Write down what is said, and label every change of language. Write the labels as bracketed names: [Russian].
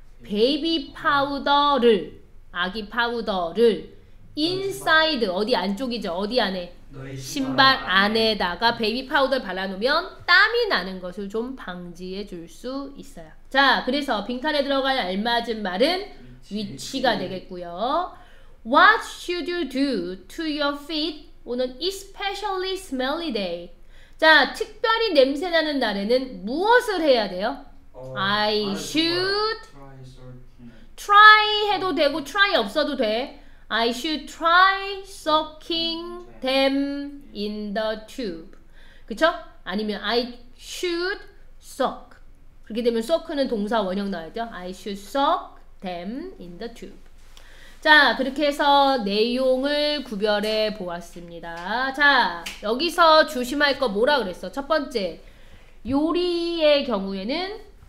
[Korean] Baby 파우더를 아기 파우더를 인사이드, 어디 안쪽이죠? 어디 안에? 신발 안에다가 베이비 파우더를 발라놓으면 땀이 나는 것을 좀 방지해 줄 수 있어요. 자, 그래서 빈칸에 들어갈 알맞은 말은 위치가 되겠고요. [English] What should you do to your feet on an especially smelly day? [Korean] 자, 특별히 냄새 나는 날에는 무엇을 해야 돼요? [English] I should try [Korean] 해도 되고 try 없어도 돼. [English] I should try soaking them in the tube. [Korean] 그쵸? 아니면 [English] I should suck. [Korean] 그렇게 되면 suck는 동사 원형 나와야죠. [English] I should suck them in the tube. [Korean] 자, 그렇게 해서 내용을 구별해 보았습니다. 자, 여기서 조심할 거 뭐라 그랬어? 첫 번째, 요리의 경우에는